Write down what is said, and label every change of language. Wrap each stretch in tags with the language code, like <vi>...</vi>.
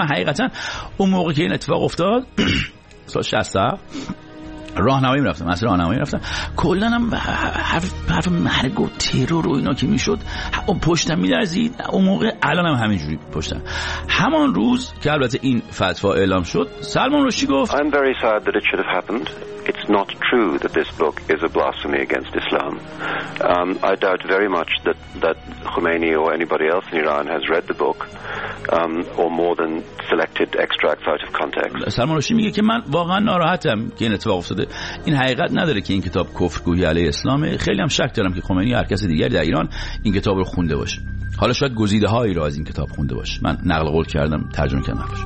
<fa>من حقیقتا اون موقع که این اتفاق افتاد سال 60 راهنمایی می‌رفتم، مثلا راهنمایی می‌رفتم، کلاً هم حرف مرگ و ترور و اینا که می‌شد اون پشتم می‌لرزید. اون موقع الانم همینجوری پشتم. همان روز که البته این فتوا اعلام شد سلمان رشدی گفت</fa> <en>I'm very sad that it should have happened. It's not true that this book is a blasphemy against Islam. I doubt very much that Khomeini or anybody else in Iran has read the book or more than selected extracts out of context.</en> <fa>سلمان رشدی میگه که من واقعاً ناراحتم که این اتفاق افتاده. این حقیقت نداره که این کتاب کفرگویی علیه اسلامه. خیلی هم شک دارم که خمینی یا هر کس دیگری در ایران این کتاب رو خونده باشه. حالا شاید گزیده هایی رو از این کتاب خونده باشه. من نقل قول کردم، ترجمه کردم.</fa>